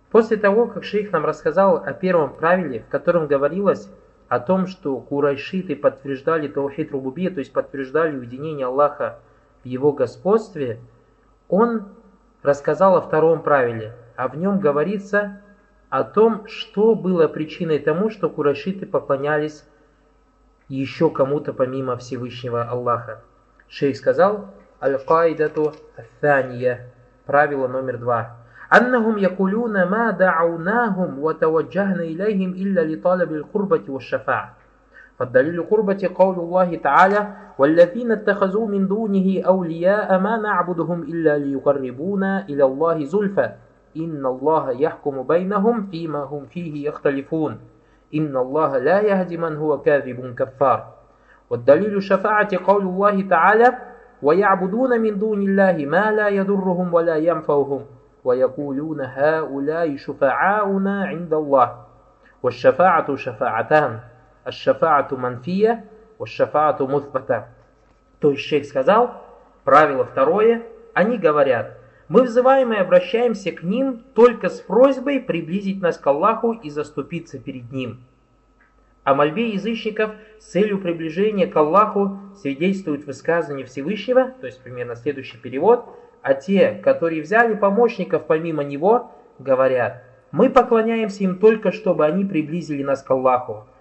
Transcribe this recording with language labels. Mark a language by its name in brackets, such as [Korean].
[Russian] После того, как шейх нам рассказал о первом правиле, в котором говорилось о том, что курайшиты подтверждали таухид рубубия, то есть подтверждали уединение Аллаха в его господстве, он рассказал о втором правиле, а в нем говорится о том, что было причиной тому, что курайшиты поклонялись еще кому-то помимо Всевышнего Аллаха. Шейх сказал: «Аль-Каидату Аф-Тания», правило номер два. [Arabic] أنهم يقولون ما دعوناهم وتوجهنا إليهم إلا لطلب القربة والشفاعة. فالدليل القربة قول الله تعالى: والذين اتخذوا من دونه أولياء ما نعبدهم إلا ليقربونا إلى الله زلفى إن الله يحكم بينهم فيما هم فيه يختلفون إن الله لا يهدي من هو كاذب كفار. والدليل الشفاعة قول الله تعالى: ويعبدون من دون الله ما لا يضرهم ولا ينفعهم ويقولون هؤلاء شفعاؤنا عند الله. والشفاعة شفاعتان: الشفاعة منفية والشفاعة مثبتة. [Russian] То есть шейх сказал, правило второе, они говорят: мы взываем и обращаемся к ним только с просьбой приблизить нас к Аллаху и заступиться перед ним. О мольбе язычников с целью приближения к Аллаху свидетельствует высказывание Всевышнего, то есть примерно следующий перевод: а те, которые взяли помощников помимо него, говорят: мы поклоняемся им только, чтобы они приблизили нас к Аллаху.